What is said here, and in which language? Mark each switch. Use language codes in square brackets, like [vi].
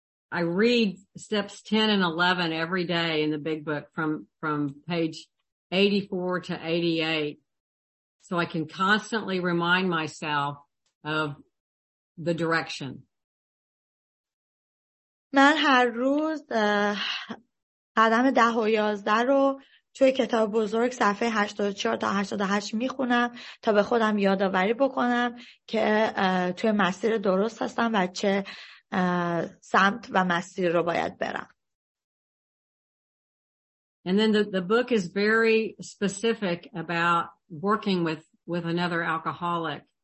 [en] I read steps 10 and 11 every day in the big book from page 84 to 88 so I can constantly remind myself of the direction. [fa] من هر روز قدم 10 و 11 رو توی کتاب بزرگ صفحه 84 تا 88 میخونم تا به خودم یادآوری بکنم که توی مسیر درست هستم و چه سمت و مسیر رو باید برم. [en] And then the book is very specific about working with another alcoholic.